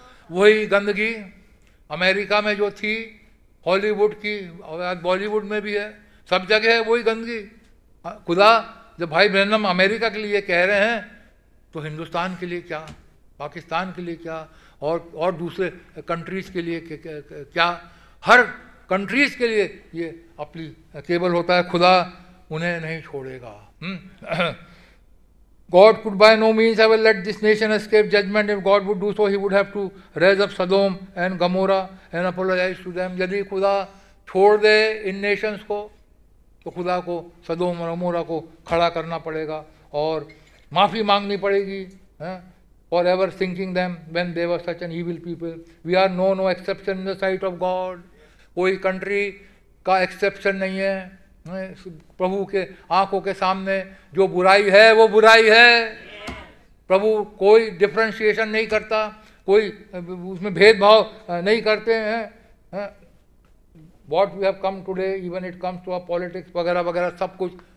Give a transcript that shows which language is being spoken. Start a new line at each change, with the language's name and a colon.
Hindi: वही गंदगी अमेरिका में जो थी हॉलीवुड की आज बॉलीवुड में भी है सब जगह है वही गंदगी खुदा जब भाई ब्रैनम अमेरिका के लिए कह रहे हैं तो हिंदुस्तान के लिए क्या पाकिस्तान के लिए क्या और दूसरे कंट्रीज के लिए क्या हर कंट्रीज के लिए ये अप्लीकेबल होता है खुदा उन्हें नहीं छोड़ेगा
English: God could by no means ever let this nation escape judgment. If God would do so, He would have to raise up Sodom and Gomorrah and apologize to them.
Hindi: यदि खुदा छोड़ दे इन nations को तो खुदा को Sodom और Gomorrah को खड़ा करना पड़ेगा और माफ़ी मांगनी पड़ेगी
English: For ever sinking them when they were such an evil people. We are no exception in the sight of God.
Hindi: कोई country का exception नहीं है प्रभु के आंखों के सामने जो बुराई है वो बुराई है प्रभु कोई डिफ्रेंशिएशन नहीं करता कोई उसमें भेदभाव नहीं करते हैं
English: what we have come today even it comes to a politics
Hindi: वगैरह वगैरह सब कुछ